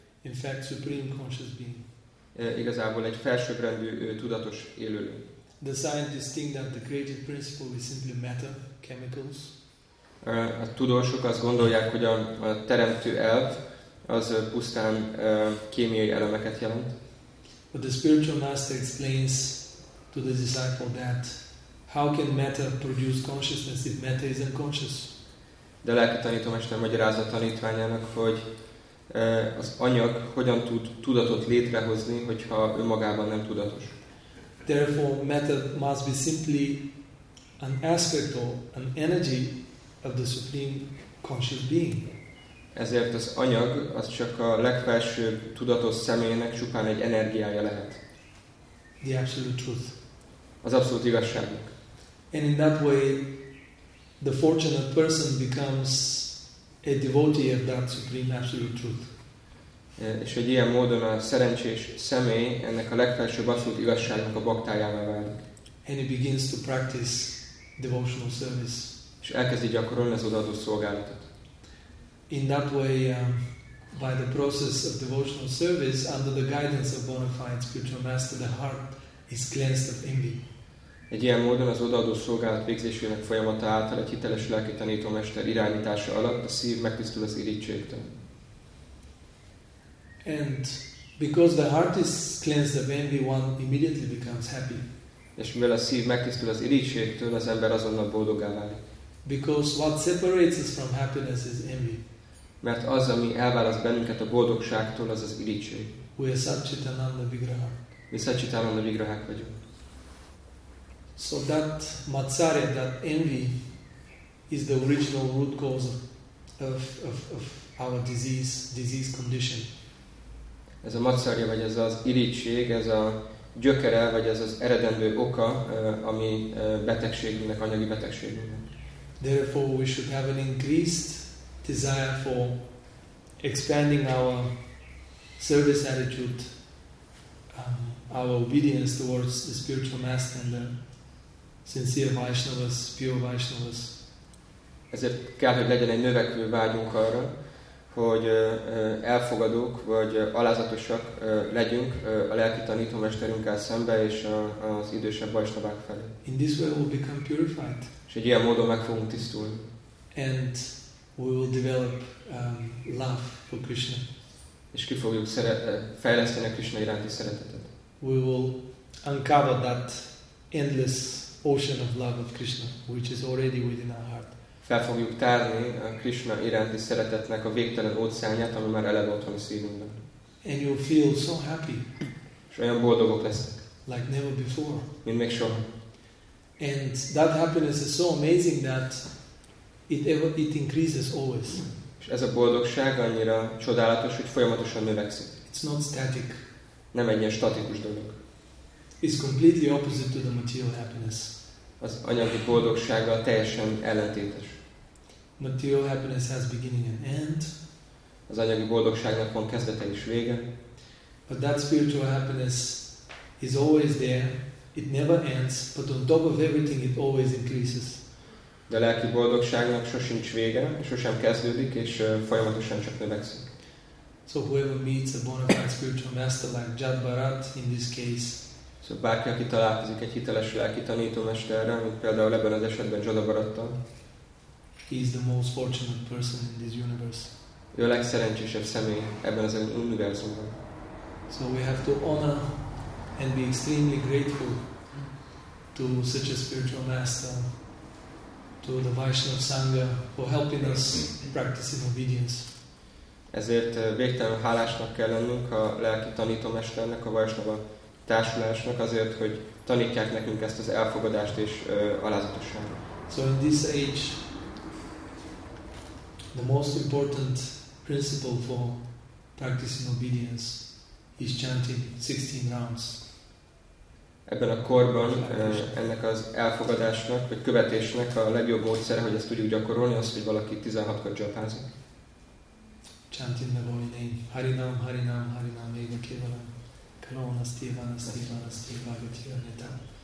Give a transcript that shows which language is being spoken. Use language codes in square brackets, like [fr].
[en] In fact, supreme conscious being. [hu] Igazából egy felsőbbrendű tudatos élőlény. [en] The scientists think that the creative principle is simply matter, chemicals. [hu] A tudósok azt gondolják, hogy a teremtő elv az pusztán kémiai elemeket jelent. [en] But the spiritual master explains to the disciple that how can matter produce consciousness if matter is unconscious? [hu] De a lelki tanítómester magyarázza a tanítványának, hogy az anyag hogyan tud tudatot létrehozni, hogyha önmagában nem tudatos. [en] Therefore, matter must be simply an aspect or an energy of the supreme conscious being. [hu] Ezért az anyag az csak a legfelsőbb tudatos személynek csupán egy energiája lehet. [en] The absolute truth. [hu] Az abszolút igazságnak. [en] And in that way, the fortunate person becomes a devotee of that supreme absolute truth. [hu] És egy ilyen módon a szerencsés személy ennek a legfelsőbb abszolút igazságnak a baktájává válik. [en] And he begins to practice devotional service. [hu] És elkezdi gyakorolni az odaadó szolgálatot. [en] In that way, by the process of devotional service, under the guidance of bona fide spiritual master, the heart is cleansed of envy. [hu] Egy ilyen módon az odaadó szolgálat végzésének folyamata által egy hiteles lelki tanítómester irányítása alatt a szív megtisztul az irigységtől. [en] And because the heart is cleansed of envy, one immediately becomes happy. [hu] És mivel a szív megtisztul az irigységtől, az ember azonnal boldoggá válik. [en] Because what separates us from happiness is envy. [hu] Mert az, ami elválaszt bennünket a boldogságtól, az az irigység. [en] We are Satchitananda Vigraha. [hu] Mi Satchitananda Vigrahák vagyunk. [en] So that matsarya, that envy, is the original root cause of our disease condition. [hu] Ez a matsarya, vagy ez az irigység, ez a gyökere, vagy ez az eredendő oka, ami betegségünknek, anyagi betegségünknek. [en] Therefore, we should have an increased desire for expanding our service attitude, our obedience towards the spiritual master and the sincere Vaishnavas, pure Vaishnavas. [hu] Ezért kell, hogy legyen egy növekvő vágyunk arra, hogy elfogadók vagy alázatosak legyünk a lelki tanítómesterünkkel szembe és az idősebb Vaishnavák felé. [en] In this way we'll become purified. [hu] És egy ilyen módon meg fogunk tisztulni. [en] And we will develop love for Krishna. [hu] És ki fogjuk fejleszteni a Krishna iránti szeretetet. [en] We will uncover that endless ocean of love of Krishna, which is already within our heart. [hu] Fel fogjuk tárni a Krishna iránti szeretetnek a végtelen óceánját, ami már eleve ott van a szívünkben. [en] And you'll feel so happy. [hu] És olyan boldogok lesznek. [en] Like never before. [hu] Mint még soha. [en] And that happiness is so amazing that it increases always. [hu] És ez a boldogság annyira csodálatos, hogy folyamatosan növekszik. [en] It's not static. [hu] Nem egy ilyen statikus dolog. [en] It's completely opposite to the material happiness. [hu] Az anyagi boldogsággal teljesen ellentétes. [en] Material happiness has beginning and end. [hu] Az anyagi boldogságnak van kezdete és vége. [en] But that spiritual happiness is always there. It never ends, but on top of everything it always increases. [hu] De a lelki boldogságnak sosincs vége, sosem kezdődik, és folyamatosan csak növekszik. [en] So whoever meets a bona fide spiritual master like Jad Bharat in this case. [hu] So bárki, aki találkozik egy hiteles lelki tanítómesterrel, mint például ebben az esetben Jad Bharattal. [en] He is the most fortunate person in this universe. [hu] Ő a legszerencsésebb személy ebben az univerzumban. [en] So we have to honor and be extremely grateful to such a spiritual master, to the Vaishnava Sangha for helping us practice in obedience. [hu] Ezért végtelenül hálásnak kell lennünk a lelki tanítómesternek, a Vaishnava társulásnak azért, hogy tanítják nekünk ezt az elfogadást és alázatosságot. [en] So in this age, the most important principle for practicing obedience is chanting 16 rounds. [hu] Ebben a korban ennek az elfogadásnak, vagy követésnek a legjobb módszere, hogy ezt tudjuk gyakorolni, az, hogy valaki 16-kor japázik. [en] Chanting the holy name. [sa] Harinam, Harinam, Harinam, Eva Kevalam. Kalona, Stivana, Stivana, Stivana, Gati, Anitam.